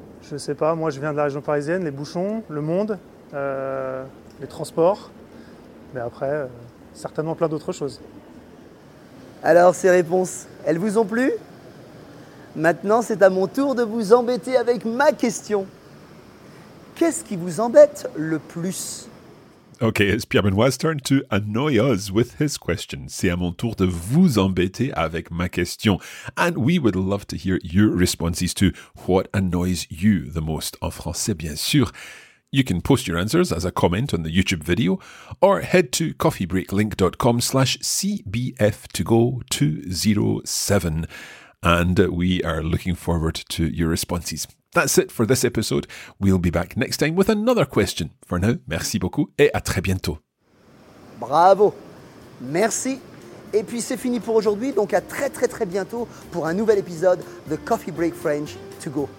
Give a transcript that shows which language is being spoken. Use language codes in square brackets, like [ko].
[fr] Je sais pas, moi je viens de la région parisienne, les bouchons, le monde... les transports, mais après, certainement plein d'autres choses. Alors, ces réponses, elles vous ont plu? Maintenant, c'est à mon tour de vous embêter avec ma question. Qu'est-ce qui vous embête le plus? [en] Ok, it's Pierre Benoît's turn to annoy us with his question. [fr] C'est à mon tour de vous embêter avec ma question. [en] And we would love to hear your responses to what annoys you the most, [fr] en français, bien sûr. [en] You can post your answers as a comment on the YouTube video or head to coffeebreaklink.com/CBF2Go207 and we are looking forward to your responses. That's it for this episode. We'll be back next time with another question. For now, [fr] merci beaucoup et à très bientôt. Bravo, merci. Et puis c'est fini pour aujourd'hui, donc à très très très bientôt pour un nouvel épisode de Coffee Break French to Go.